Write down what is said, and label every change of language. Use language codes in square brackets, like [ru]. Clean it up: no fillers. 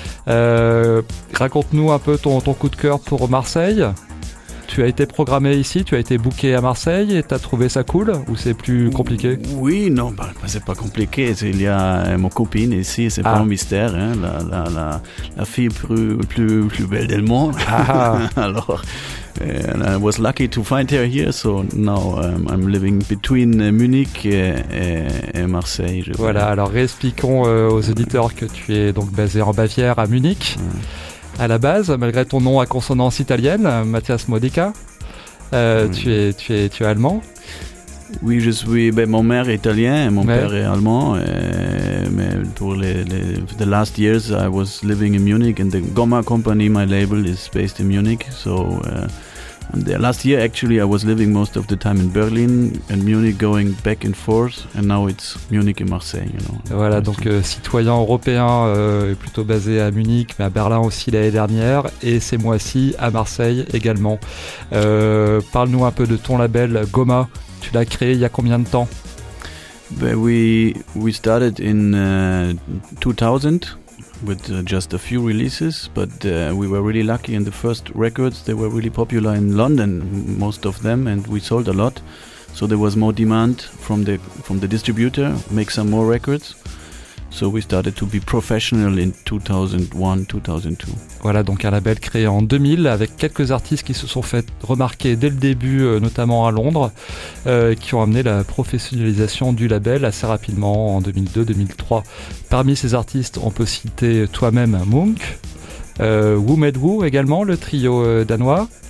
[fr] Raconte-nous un peu ton coup de cœur pour Marseille. Tu as été programmé ici, tu as été booké à Marseille et tu as trouvé ça cool ou c'est plus compliqué? Oui, non, c'est pas compliqué. Il y a ma copine ici, c'est pas un mystère, hein, la fille plus belle du monde. Ah. Alors, [en] and I was lucky to find her here, so now I'm living between Munich et Marseille. [fr] Voilà, alors réexpliquons aux auditeurs que tu es donc basé en Bavière à Munich. Ouais. À la base, malgré ton nom à consonance italienne, Mathias Modica, tu es allemand. Oui, je suis. Ben, mon mère est italienne, mon père est allemand. Mais pour les [en] the last years, I was living in Munich, and the Goma Company, my label, is based in Munich. So, the last year, actually, I was living most of the time in Berlin and Munich, going back and forth. And now it's Munich and Marseille. You know. [fr] Voilà, donc citoyen européen, plutôt basé à Munich, mais à Berlin aussi l'année dernière, et ces mois-ci à Marseille également. Parle-nous un peu de ton label Goma. Tu l'as créé il y a combien de temps? [en] But we started in 2000 with just a few releases, but we were really lucky in the first records. They were really popular in London, most of them, and we sold a lot. So there was more demand from the distributor, make some more records. So we started to be professional in 2001, 2002. [fr] Voilà, donc un label créé en 2000 avec quelques artistes qui se sont fait remarquer dès le début, notamment à Londres, qui ont amené la professionnalisation du label assez rapidement en 2002-2003. Parmi ces artistes, on peut citer toi-même Monk, Woo Made Woo également, le trio danois.